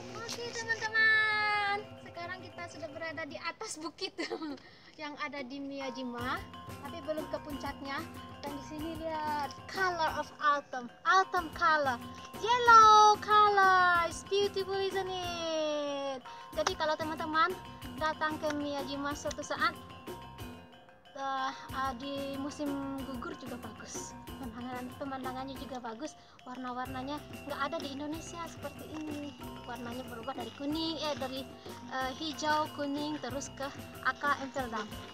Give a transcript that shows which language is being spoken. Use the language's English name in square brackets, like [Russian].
[Indonesian] Okay, teman-teman, sekarang kita sudah berada di atas bukit yang ada di Miyajima, tapi belum ke puncaknya. Dan di sini lihat [English] color of autumn, autumn color, yellow color, it's beautiful isn't it? [Indonesian] Jadi kalau teman-teman datang ke Miyajima suatu saat, di musim gugur juga bagus, pemandangannya juga bagus, warna-warnanya nggak ada di Indonesia seperti ini, warnanya berubah dari kuning, hijau kuning terus ke aqua emerald.